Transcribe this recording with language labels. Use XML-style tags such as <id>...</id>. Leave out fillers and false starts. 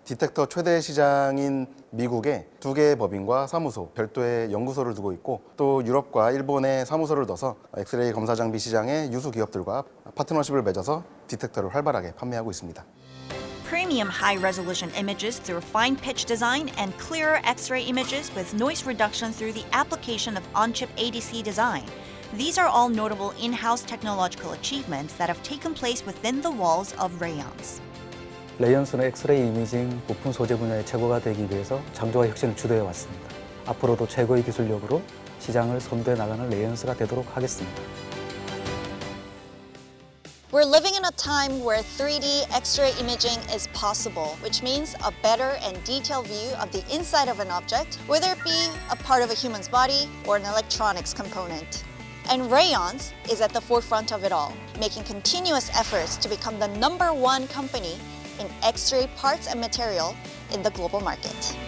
<ko>디텍터 최대 시장인 미국에 두 개의 법인과 사무소, 별도의 연구소를 두고 있고 또 유럽과 일본에 사무소를 넣어서 엑스레이 검사 장비 시장의 유수 기업들과 파트너십을 맺어서 디텍터를 활발하게 판매하고 있습니다.</ko> <en>Premium high-resolution images through fine pitch design and clearer X-ray images with noise reduction through the application of on-chip ADC design. These are all notable in-house technological achievements that have taken place within the walls of Rayence.</en> <ko>Rayence는 X-ray 이미징 부품 소재 분야의 최고가 되기 위해서 창조와 혁신을 주도해 왔습니다. 앞으로도 최고의 기술력으로 시장을 선도해 나가는 Rayence가 되도록 하겠습니다.</ko> <en>We're living in a time where 3D X-ray imaging is possible, which means a better and detailed view of the inside of an object, whether it be a part of a human's body or an electronics component. And Rayence is at the forefront of it all, making continuous efforts to become the number one company in X-ray parts and material in the global market.</en>